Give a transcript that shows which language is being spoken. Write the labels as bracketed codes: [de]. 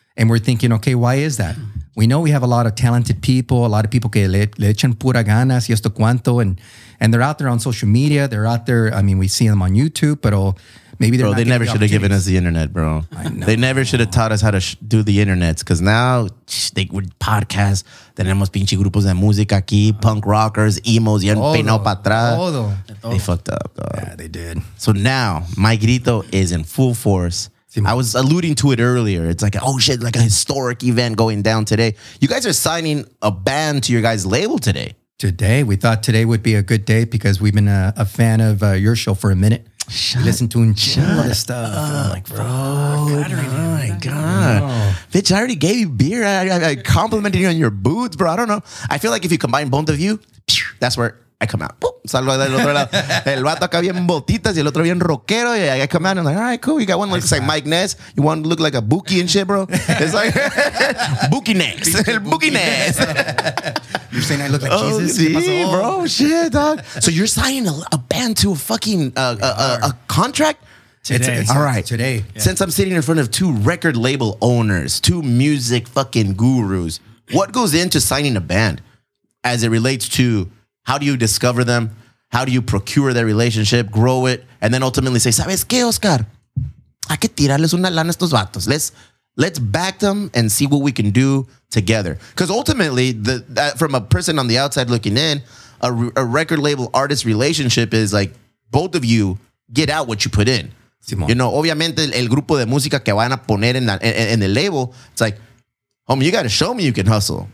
[en] And we're thinking, okay, why is that? We know we have a lot of talented people, a lot of people [es] que le echan pura ganas y esto cuanto. [en] And they're out there on social media. They're out there. I mean, we see them on YouTube, [es] pero [en] maybe they're bro, not they never should have given us the internet, bro. I know. They never should have taught us how to do the internets because now they would podcast. [es] Tenemos pinche grupos de música aquí, punk rockers, emos, y han peinado para atrás. Todo. [en] They fucked up, dog. Yeah, they did. So now, Maigrito is in full force. I was alluding to it earlier. It's like, oh shit, like a historic event going down today. You guys are signing a band to your guys' label today. Today? We thought today would be a good day because we've been a fan of your show for a minute. Listen to Unchill and stuff. Up, I'm like, bro. My God. Bitch, I already gave you beer. I complimented you on your boots, bro. I don't know. I feel like if you combine both of you, that's where I come out. Boop. [es] salgo del otro lado. El vato acá bien botitas y el otro bien rockero. Y [en] I come out and I'm like, all right, cool. You got one looks like Mike Ness. You want to look like a bookie and shit, bro? It's like, bookie Ness. El bookie Ness. You're saying I look like Jesus? [es] Oh, sí, [en] bro. Shit, dog. So you're signing a band to a fucking a contract? Today. Yeah. Since I'm sitting in front of two record label owners, two music fucking gurus, what goes into signing a band as it relates to how do you discover them? How do you procure their relationship, grow it, and then ultimately say, [es] ¿sabes qué, Oscar? Hay que tirarles una lana a estos vatos. [en] Let's back them and see what we can do together. Because ultimately, from a person on the outside looking in, a record label artist relationship is like both of you get out what you put in. [es] Simón. [en] You know, [es] obviamente el grupo de música que van a poner en el label, [en] it's like, homie, you got to show me you can hustle.